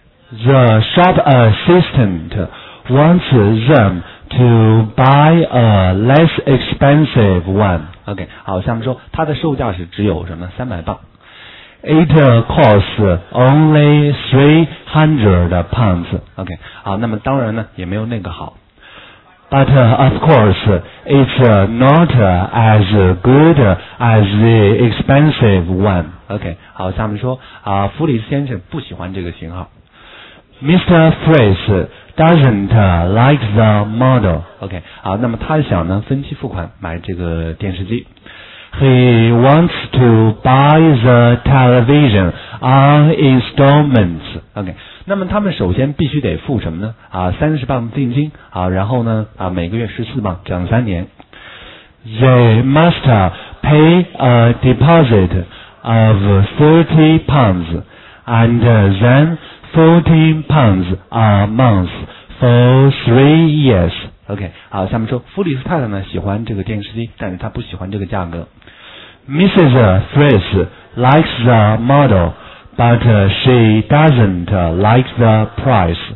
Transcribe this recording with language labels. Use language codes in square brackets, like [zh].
[en] The shop assistant wants them to buy a less expensive one. [zh] Okay, 好，下面说，它的售价是只有什么？300磅。 [en] It costs only 300 pounds. [zh] OK, 好，那么当然呢，也没有那个好。 [en] But of course, it's not as good as the expensive one. [zh] OK, 好，下面说，弗里斯先生不喜欢这个型号。 [en] Mr. Freeze doesn't like the model. [zh] OK, 好，那么他想呢，分期付款买这个电视机。 [en] He wants to buy the television on installments. [zh] OK, 那么他们首先必须得付什么呢？30磅定金，然后呢，每个月14磅，整三年。 [en] They must pay a deposit of 30 pounds and then 14 pounds a month for 3 years. [zh] OK, 好，下面说，弗里斯太太呢，喜欢这个电视机，但是她不喜欢这个价格。 [en] Mrs. Freeze likes the model, but she doesn't like the price.